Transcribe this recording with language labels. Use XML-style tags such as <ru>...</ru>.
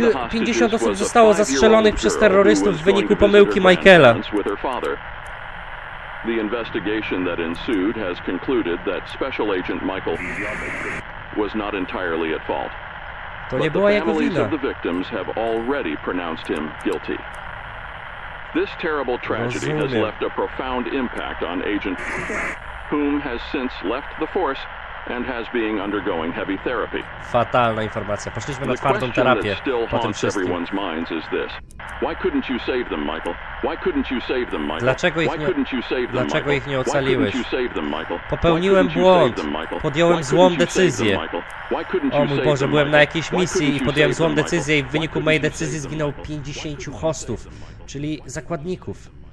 <pl>50 osób zostało zastrzelonych przez terrorystów w wyniku pomyłki Michaela.</pl> <en>The investigation that ensued has concluded that special agent Michael was not entirely at fault.</en> <pl>To nie była jego wina.</pl> <en>The victims have already pronounced him guilty. This terrible tragedy has left a profound impact on agent whom has since left the force and has been undergoing heavy therapy.</en> <pl>Fatalna informacja. Poszliśmy na twardą terapię. Po tym wszystkim.</pl> <en>Why couldn't you save them, Michael? Why couldn't you save them, Michael?</en> <pl>Dlaczego ich nie ocaliłeś? Popełniłem błąd. Podjąłem złą decyzję. O mój Boże, byłem na jakiejś misji i podjąłem złą decyzję i w wyniku mojej decyzji zginął 50 hostów, czyli zakładników.</pl>